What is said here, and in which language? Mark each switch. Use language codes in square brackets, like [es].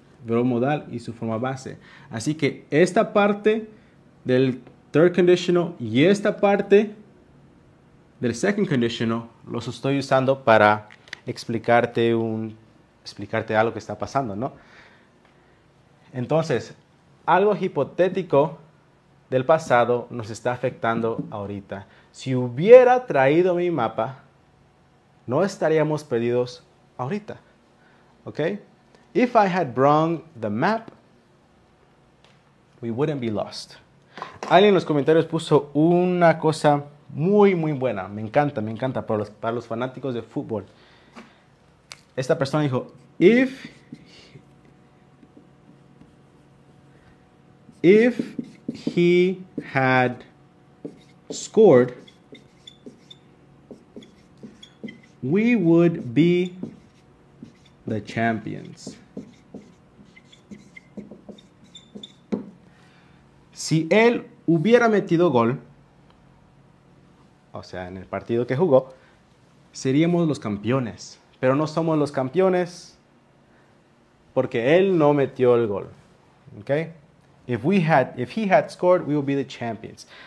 [es] Verbo modal y su forma base. Así que esta parte del third conditional y esta parte del second conditional los estoy usando para explicarte algo que está pasando, ¿no? Entonces, algo hipotético del pasado nos está afectando ahorita. Si hubiera traído mi mapa, no estaríamos perdidos ahorita. ¿Ok? [en] If I had brought the map, we wouldn't be lost. [es] Alguien en los comentarios puso una cosa muy, muy buena. Me encanta. Para los fanáticos de fútbol. Esta persona dijo, [en] If he had scored, we would be the champions. [es] Si él hubiera metido gol, o sea, en el partido que jugó, seríamos los campeones. Pero no somos los campeones porque él no metió el gol. [en] Okay? If he had scored, we would be the champions.